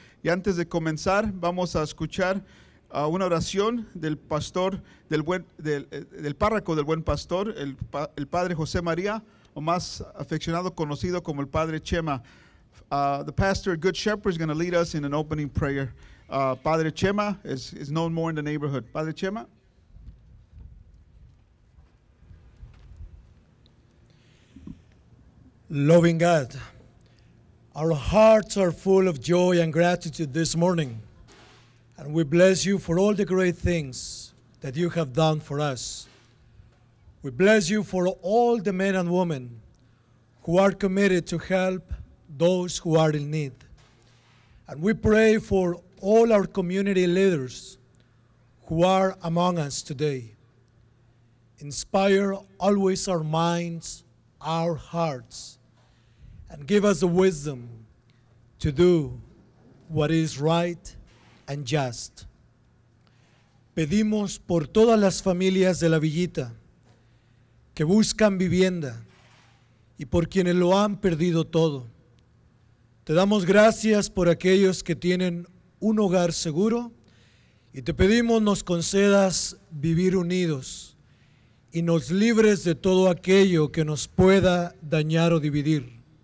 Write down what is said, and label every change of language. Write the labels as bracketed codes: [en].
[es] Y antes de comenzar, vamos a escuchar una oración del pastor, del párroco del buen pastor, el padre José María, o más afeccionado conocido como el padre Chema. [en] The pastor, Good Shepherd, is going to lead us in an opening prayer. Padre Chema is known more in the neighborhood. Padre Chema. Loving God, our hearts are full of joy and gratitude this morning, and we bless you for all the great things that you have done for us. We bless you for all the men and women who are committed to help those who are in need. And we pray for all our community leaders who are among us today. Inspire always our minds, our hearts, and give us the wisdom to do what is right and just. [es] Pedimos por todas las familias de la villita que buscan vivienda y por quienes lo han perdido todo. Te damos gracias por aquellos que tienen un hogar seguro y te pedimos nos concedas vivir unidos y nos libres de todo aquello que nos pueda dañar o dividir.